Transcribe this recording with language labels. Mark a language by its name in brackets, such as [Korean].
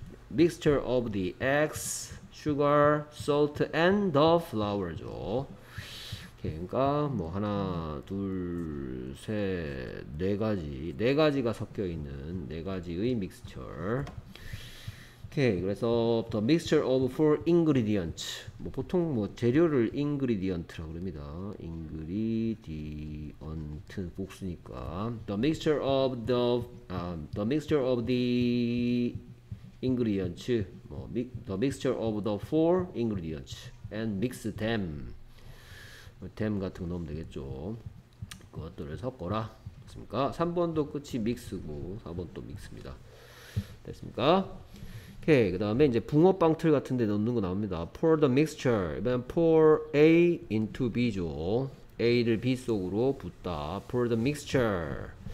[English] mixture of the eggs, sugar, salt and the flour죠. [Korean] 그러니까 뭐 하나, 둘, 셋, 네 가지, 네 가지가 섞여 있는 네 가지의 믹스처. 오케이. 그래서 [English] the mixture of four ingredients. [Korean] 뭐 보통 뭐 재료를 ingredient라고 합니다. ingredient 복수니까. [English] the mixture of the ingredients. 뭐 the mixture of the four ingredients and mix them. [Korean] them 같은 거 넣으면 되겠죠. 그것들을 섞어라. 됐습니까? 3번도 끝이 믹스고 4번 또 믹스입니다. 됐습니까? 오케이. 그 다음에 이제 붕어빵 틀 같은 데 넣는 거 나옵니다. [English] pour the mixture. [Korean] 이번엔 [English] pour A into B죠. [Korean] A를 B 속으로 붓다. [English] pour the mixture.